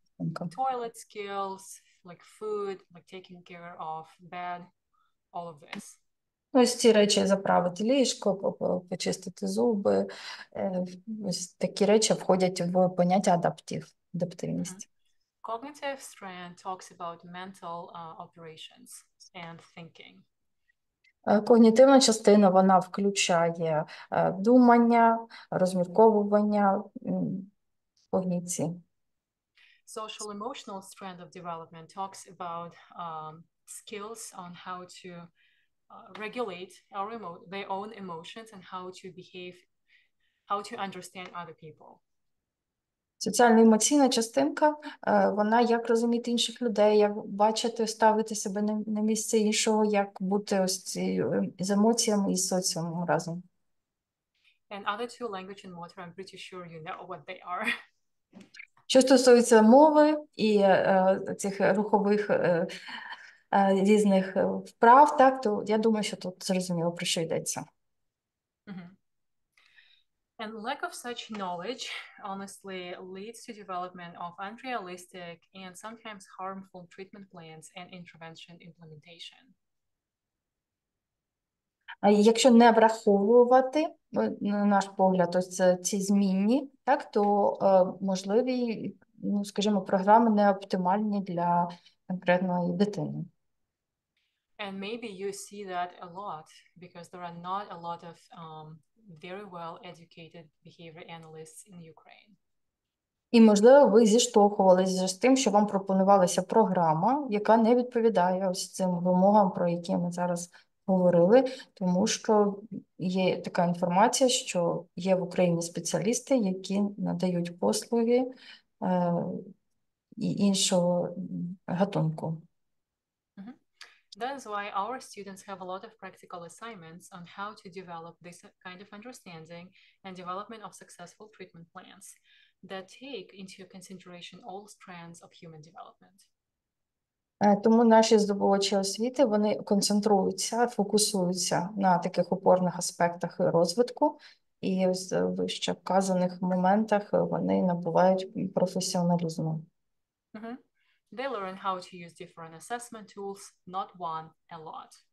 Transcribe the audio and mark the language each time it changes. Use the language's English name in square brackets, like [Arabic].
[English] like toilet skills, like food, like taking care of bed, all of this. [Ukrainian] Ось ці речі заправити ліжко, почистити зуби. Ось такі речі входять в поняття адаптивність. [English] Cognitive strand talks about mental operations and thinking. [Ukrainian] Когнітивна частина, вона включає думання, розмірковування, когніції. [English] Social emotional strand of development talks about skills on how to regulate our their own emotions and how to behave, how to understand other people. [Ukrainian] Соціально-емоційна частинка, вона як розуміти інших людей, як бачити, ставити себе на місце іншого, як бути ось з емоціями і соціумом разом. [English] And other two language and water, I'm pretty sure you know what they are. [Ukrainian] Що стосується мови і цих рухових різних вправ, так, то я думаю, що тут зрозуміло, про що йдеться. [English] And lack of such knowledge, honestly, leads to development of unrealistic and sometimes harmful treatment plans and intervention implementation. [Ukrainian] Якщо не враховувати наш погляд, ось ці змінні, так, то можливі, ну, скажімо, програми не оптимальні для конкретної дитини. [English] And maybe you see that a lot because there are not a lot of very well educated behavior analysts in Ukraine. [Ukrainian] І, можливо, ви зіштовхувалися з тим, що вам пропонувалася програма, яка не відповідає ось цим вимогам, про які ми зараз говорили, тому що є така інформація, що є в Україні спеціалісти, які надають послуги і іншого гатунку. [English] That is why our students have a lot of practical assignments on how to develop this kind of understanding and development of successful treatment plans that take into consideration all strands of human development. [Ukrainian] Тому наші здобувачі освіти, вони концентруються, фокусуються на таких опорних аспектах розвитку, і ось в вище вказаних моментах вони набувають професіоналізму. [English] They learn how to use different assessment tools, not one, a lot.